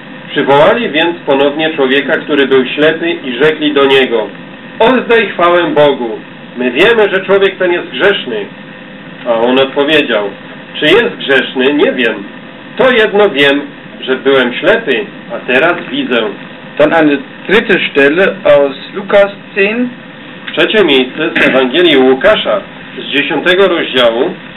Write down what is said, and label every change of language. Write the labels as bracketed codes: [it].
[pl] Przywołali więc ponownie człowieka, który był ślepy, i rzekli do niego: Oddaj chwałę Bogu, my wiemy, że człowiek ten jest grzeszny. A on odpowiedział: Czy jest grzeszny, nie wiem. To jedno wiem, że byłem ślepy, a teraz widzę. [de] Dann eine dritte Stelle aus Lukas 10. [pl] Trzecie miejsce z Ewangelii Łukasza, z 10 rozdziału.